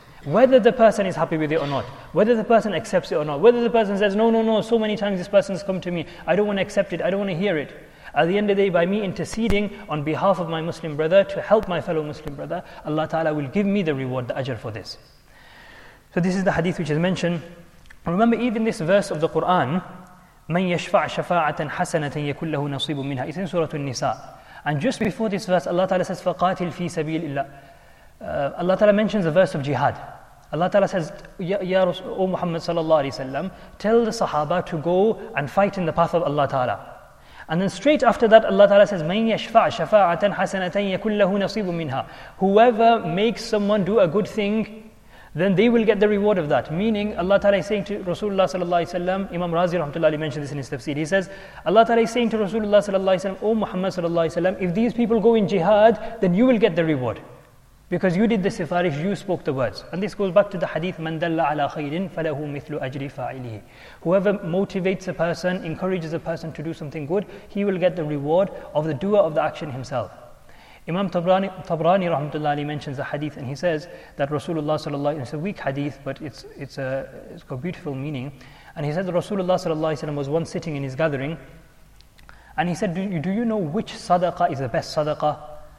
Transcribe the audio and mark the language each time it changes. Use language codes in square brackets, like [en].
[en] Whether the person is happy with it or not, whether the person accepts it or not, whether the person says, no, so many times this person has come to me, I don't want to accept it, I don't want to hear it. At the end of the day, by me interceding on behalf of my Muslim brother to help my fellow Muslim brother, Allah Ta'ala will give me the reward, the ajr for this. So this is the hadith which is mentioned. Remember, even this verse of the Quran, [ar] مَنْ يَشْفَعْ شَفَاعَةً حَسَنَةً يَكُنْ لَهُ نَصِيبٌ مِنْهَا. [en] It's in Surah An-Nisa. And just before this verse, Allah Ta'ala says, [ar] فَقَاتِلْ فِي سَبِيلِ اللَّهِ. [en] Allah Ta'ala mentions the verse of jihad. Allah Ta'ala says, O Muhammad Sallallahu Alaihi Wasallam, tell the Sahaba to go and fight in the path of Allah Ta'ala. And then straight after that, Allah Ta'ala says, [ar] مَنْ يَشْفَعْ شَفَاعَةً حَسَنَةً يَكُنْ لَهُ نَصِيبٌ مِنْهَا. [en] Whoever makes someone do a good thing, then they will get the reward of that. Meaning, Allah Ta'ala is saying to Rasulullah Sallallahu Alaihi Wasallam, Imam Razi Rahmatullah Ali mentioned this in his tafsir, he says, Allah Ta'ala is saying to Rasulullah Sallallahu Alaihi Wasallam, O Muhammad Sallallahu Alaihi Wasallam, if these people go in jihad, then you will get the reward. Because you did the sifarish, you spoke the words. And this goes back to the hadith, [ar] مَنْ دَلَّ عَلَىٰ خَيْرٍ فَلَهُ مِثْلُ أَجْرِ فَاعِلِهِ. [en] Whoever motivates a person, encourages a person to do something good, he will get the reward of the doer of the action himself. Imam Tabrani rahmatullah ali mentions a hadith, and he says that Rasulullah sallallahu alaihi wasallam, it's a weak hadith, but it's got beautiful meaning. And he said that Rasulullah sallallahu alaihi wasallam was once sitting in his gathering, and he said, do you know which sadaqah is the best sadaqah?